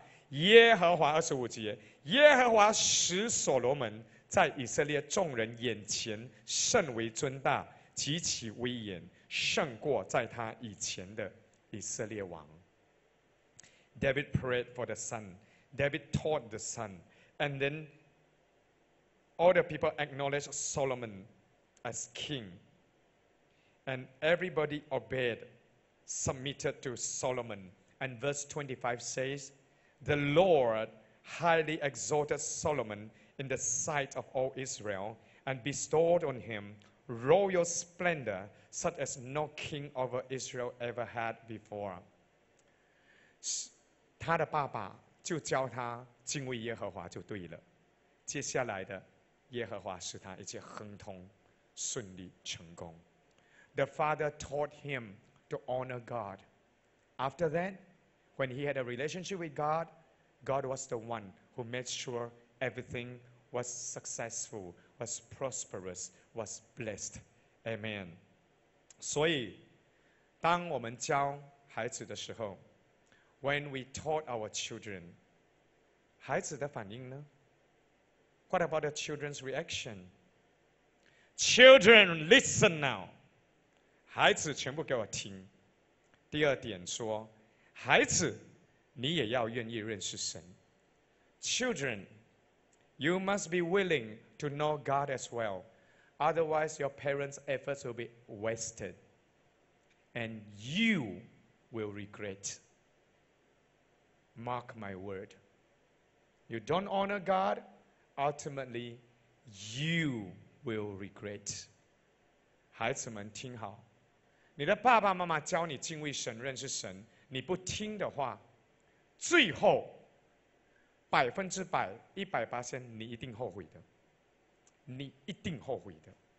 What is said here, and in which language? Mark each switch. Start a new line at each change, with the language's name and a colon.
Chinese: 耶和华二十五节，耶和华使所罗门在以色列众人眼前甚为尊大，极其威严，胜过在他以前的以色列王。
English: David prayed for the son. David taught the son, and then all the people acknowledged Solomon as king, and everybody obeyed, submitted to Solomon. And verse 25 says. The Lord highly exalted Solomon in the sight of all Israel and bestowed on him royal splendor such as no king over Israel ever had before.
Chinese: 他的爸爸就教他敬畏耶和华就对了。接下来的耶和华使他一切亨通顺利成功。
English: The father taught him to honor God. After that,When he had a relationship with God, God was the one who made sure everything was successful, was prosperous, was blessed. Amen.
Chinese: 所以当我们教孩子的时候
English: when we taught our children,
Chinese: 孩子的反应呢
English: What about the children's reaction? Children, listen now.
Chinese: 孩子全部给我听。第二点说孩子，你也要愿意认识神。
English: Children, you must be willing to know God as well. Otherwise, your parents' efforts will be wasted. And you will regret. Mark my word. You don't honor God, ultimately, you will regret.
Chinese: 孩子们听好，你的爸爸妈妈教你敬畏神，认识神。你不听的话，最后100%100%你一定后悔的，你一定后悔的。